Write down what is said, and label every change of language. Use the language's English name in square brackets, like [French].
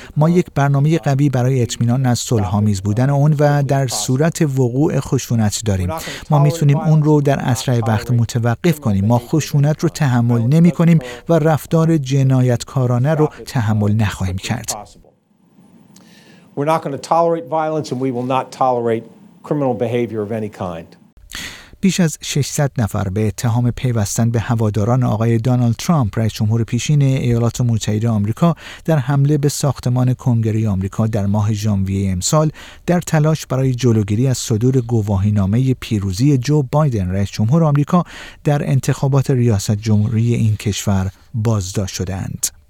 [Persian] ما یک برنامه قوی برای اطمینان از صلح‌آمیز بودن آن و در صورت وقوع خشونت داریم. ما میتونیم آن رو در اسرع وقت متوقف کنیم. ما خشونت رو تحمل نمی کنیم و رفتار جنایتکارانه رو تحمل نخواهیم کرد. [English] We're not going to tolerate violence and we will not tolerate criminal behavior of any kind. [Persian] بیش از 600 نفر به اتهام پیوستن به هواداران آقای دونالد ترامپ، رئیس جمهور پیشین ایالات متحده آمریکا، در حمله به ساختمان کنگره آمریکا در ماه ژانویه امسال در تلاش برای جلوگیری از صدور گواهینامه پیروزی جو بایدن، رئیس جمهور آمریکا، در انتخابات ریاست جمهوری این کشور بازداشت شدند.